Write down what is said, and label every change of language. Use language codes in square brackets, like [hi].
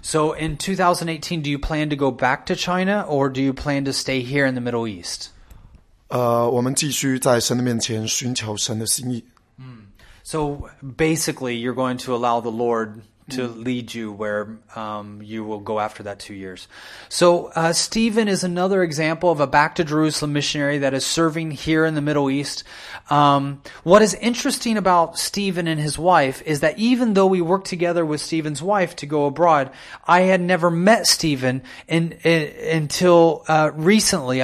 [en] So, in 2018, do you plan to go back to China, or do you plan to stay here in the Middle East? [zh] 我们继续在神的面前寻求神的心意。 [en] So, basically, you're going to allow the Lord to lead you where you will go after that 2 years. So Stephen is another example of a Back to Jerusalem missionary that is serving here in the Middle East. What is interesting about Stephen and his wife is that even though we worked together with Stephen's wife to go abroad, I had never met Stephen until recently.